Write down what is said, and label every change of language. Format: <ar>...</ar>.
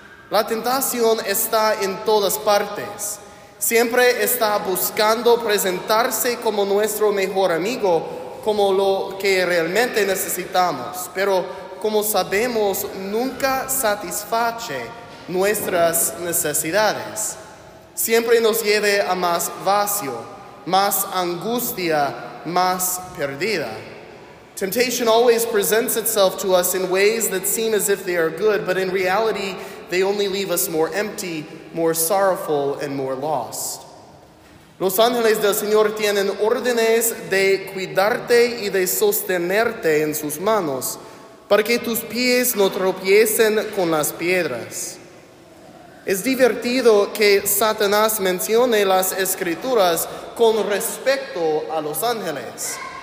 <es>La tentación está en todas partes. Siempre está buscando presentarse como nuestro mejor amigo, como lo que realmente necesitamos. Pero, como sabemos, nunca satisface nuestras necesidades. Siempre nos lleve a más vacío, más angustia, más perdida.</es> <en>Temptation always presents itself to us in ways that seem as if they are good, but in reality, they only leave us more empty, more sorrowful, and more lost.</en> <es>Los ángeles del Señor tienen órdenes de cuidarte y de sostenerte en sus manos, para que tus pies no tropiecen con las piedras. Es divertido que Satanás mencione las Escrituras con respecto a los ángeles.</es>